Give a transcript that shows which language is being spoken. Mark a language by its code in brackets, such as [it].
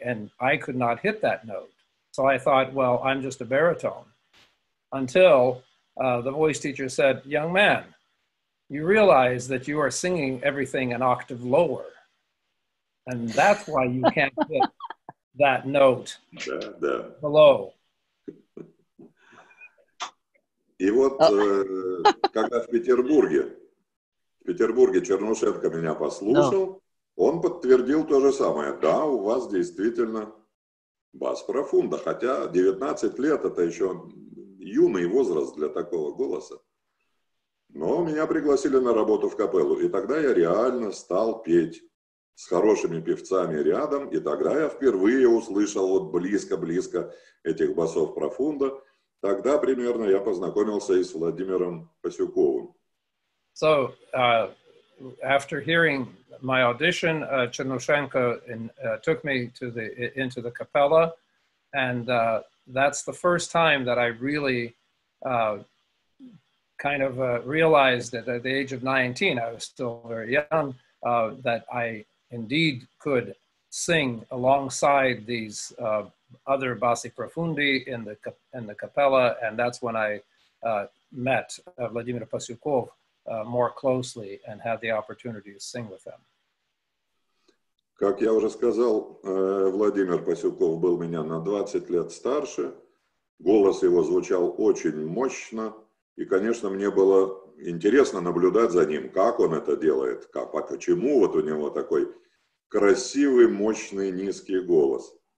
[en] And I could not hit that note. So I thought, well, I'm just a baritone. Until the voice teacher said, "Young man, you realize that you are singing everything an octave lower. And that's why you can't hit that note below." [ru] И вот, когда в Петербурге Чернушенко меня послушал, Он подтвердил то же самое. Да, у вас действительно бас профунда, хотя 19 лет это еще юный возраст для такого голоса. Но меня пригласили на работу в капеллу, и тогда я реально стал петь с хорошими певцами рядом, и тогда я впервые услышал вот близко-близко этих басов профунда. Тогда примерно я познакомился и с Владимиром Пасюковым. [en] So, after hearing my audition, Chernushenko took me into the capella, and that's the first time that I really realized that at the age of 19, I was still very young, that I indeed could sing alongside these other bassi profundi in the capella, and that's when I met Vladimir Pasyukov more closely and had the opportunity to sing with him. [ru] Как я уже сказал, Владимир Пасюков был меня на 20 лет старше. Голос его звучал очень мощно. И, конечно, мне было интересно наблюдать за ним, как он это делает, как, почему вот у него такой красивый, мощный, низкий голос.